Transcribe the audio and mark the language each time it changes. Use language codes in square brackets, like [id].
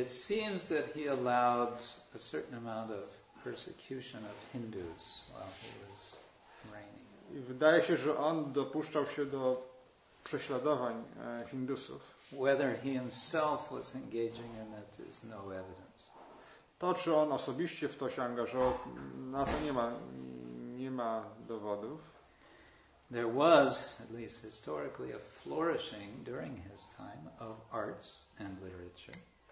[en] It seems that he allowed a certain amount of persecution of Hindus while he was reigning. [pl] I wydaje się, że on dopuszczał się do prześladowań Hindusów. [en] Whether he himself was engaging in it is no evidence. [pl] To, czy on osobiście w to się angażował, na to nie ma dowodów. [en] There was, at least historically, a flourishing during his time of arts and literature.